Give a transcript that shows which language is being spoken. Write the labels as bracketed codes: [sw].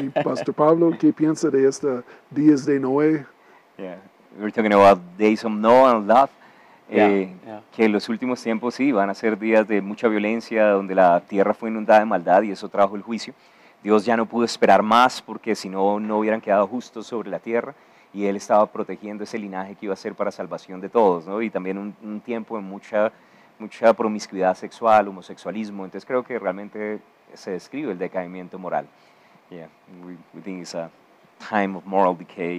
[es] Y Pastor Pablo, ¿qué piensa de este días de Noé? [en] Yeah, we're talking about days of Noah and Lot. [es] Que los últimos tiempos sí van a ser días de mucha violencia, donde la tierra fue inundada de maldad y eso trajo el juicio. Dios ya no pudo esperar más porque si no hubieran quedado justos sobre la tierra. Y Él estaba protegiendo ese linaje que iba a ser para salvación de todos, ¿no? Y también un tiempo en mucha promiscuidad sexual, homosexualismo. Entonces creo que realmente se describe el decaimiento moral. [en] Yeah, we think it's a time of moral decay.